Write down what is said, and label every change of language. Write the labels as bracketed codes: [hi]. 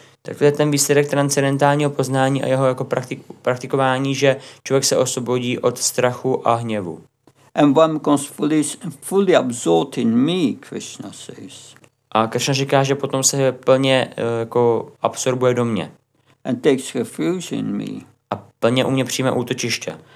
[cs] Tak to je ten výsledek transcendentálního poznání a jeho jako praktikování, že člověk se osvobodí od strachu a hněvu. [en] And one becomes fully absorbed in me, Krishna says. [cs] A Krishna říká, že potom se plně jako absorbuje do mě. [en] And takes refuge in me. [cs] A plně u mě přijme útočiště.